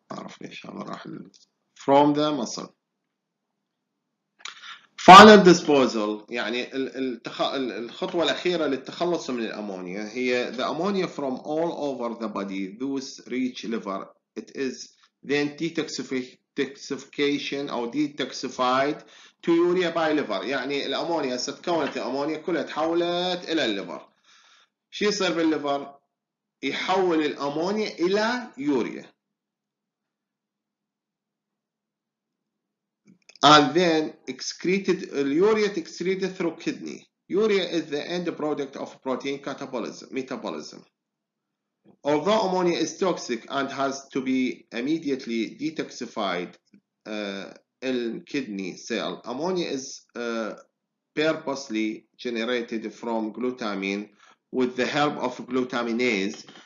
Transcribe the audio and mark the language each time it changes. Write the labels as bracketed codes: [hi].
[ar] أعرف ليش هذا راح [en] from the muscle. Final disposal [ar] يعني الخطوة الأخيرة للتخلص من الأمونيا هي [en] the ammonia from all over the body those reach liver. It is then detoxified. Detoxification أو detoxified to urea by liver. [ar] يعني الأمونيا ستكونت الأمونيا كلها تحولت إلى الليفر. شو يصير بالليفر؟ يحول الأمونيا إلى يوريا. [en] And then excreted urea excreted through kidney. Urea is the end product of protein catabolism, metabolism. Although ammonia is toxic and has to be immediately detoxified in kidney cell, ammonia is purposely generated from glutamine with the help of glutaminase.